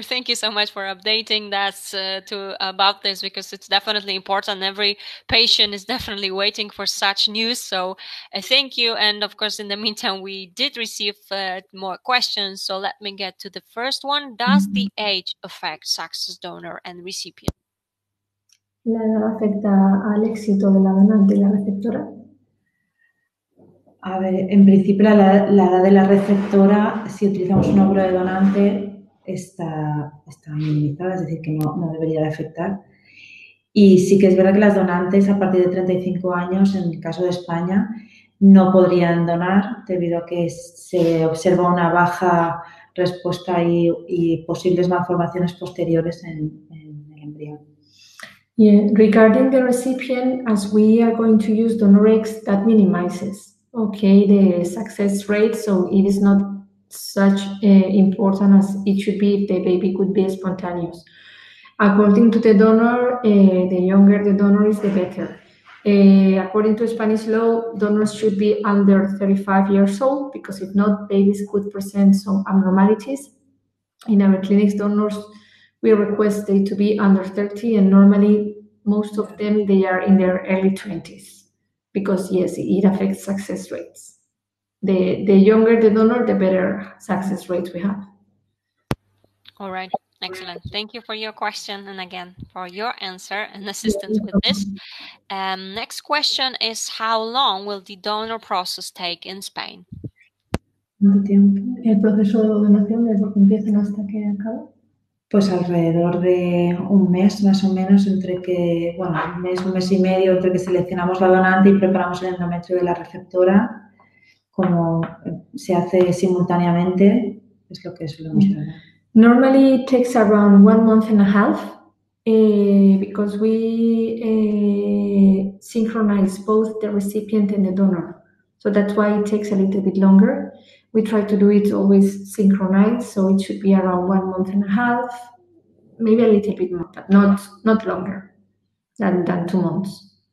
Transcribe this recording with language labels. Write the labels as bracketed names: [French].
[English] Thank you so much for updating us about this, because it's definitely important. Every patient is definitely waiting for such news. So thank you. And of course, in the meantime, we did receive more questions. So let me get to the first one. Does the age affect success donor and recipient? [Spanish] ¿La edad afecta al éxito de la donante y la receptora? A ver, en principio la edad de la receptora, si utilizamos un óvulo de donante, está minimizada, es decir, que no debería de afectar. Y sí que es verdad que las donantes a partir de 35 años, en el caso de España, no podrían donar debido a que se observa una baja respuesta y posibles malformaciones posteriores en el embrión. [English] Yeah. Regarding the recipient, as we are going to use donor eggs, that minimizes, okay, the success rate, so it is not such important as it should be if the baby could be spontaneous. According to the donor, the younger the donor is, the better. According to Spanish law, donors should be under 35 years old, because if not, babies could present some abnormalities. In our clinics, donors, we request they to be under 30, and normally most of them, they are in their early 20s, because yes, it affects success rates. The younger the donor, the better success rates we have. All right. Excellent. Thank you for your question and again for your answer and assistance with this. Next question is, how long will the donor process take in Spain? [Spanish] ¿Cuánto tiempo? ¿El proceso de donación desde que empiezan hasta que acaba? Pues alrededor de un mes más o menos, entre que, bueno, un mes y medio entre que seleccionamos la donante y preparamos el endometrio de la receptora, como se hace simultáneamente, es lo que solemos tener. [English] Normally it takes around 1 month and a half because we synchronize both the recipient and the donor. So that's why it takes a little bit longer. We try to do it always synchronized, so it should be around 1 month and a half, maybe a little bit more, but not longer than 2 months.